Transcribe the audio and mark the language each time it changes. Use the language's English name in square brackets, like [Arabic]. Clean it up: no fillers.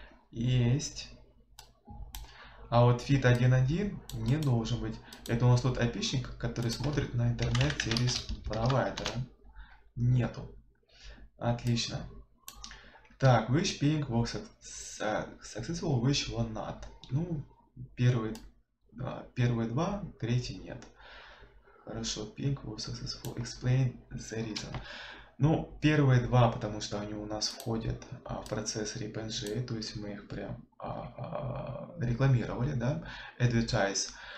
[Russian] Есть. А вот FIT 1.1 не должен быть. Это у нас тот IP-шник, который смотрит на интернет-сервис-провайдера. Нету. Отлично. [English] Так, which ping successful, which one not. [Russian] Ну, первые два, третий нет. Хорошо, [English] ping was successful. Explain the reason. [Russian] Ну, первые два, потому что они у нас входят в процесс RepNG, то есть мы их прям рекламировали, да, advertise.